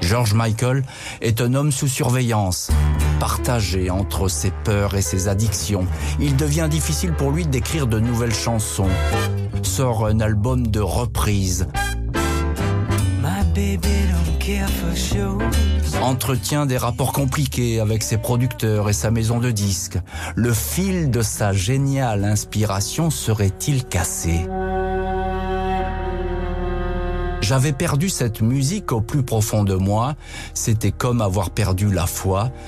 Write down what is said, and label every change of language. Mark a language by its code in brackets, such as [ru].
[fr] George Michael est un homme sous surveillance, partagé entre ses peurs et ses addictions. Il devient difficile pour lui d'écrire de nouvelles chansons. Sort un album de reprises. [en] My baby don't care for shows. [fr] entretient des rapports compliqués avec ses producteurs et sa maison de disques. Le fil de sa géniale inspiration serait-il cassé ? J'avais perdu cette musique au plus profond de moi. C'était comme avoir perdu la foi.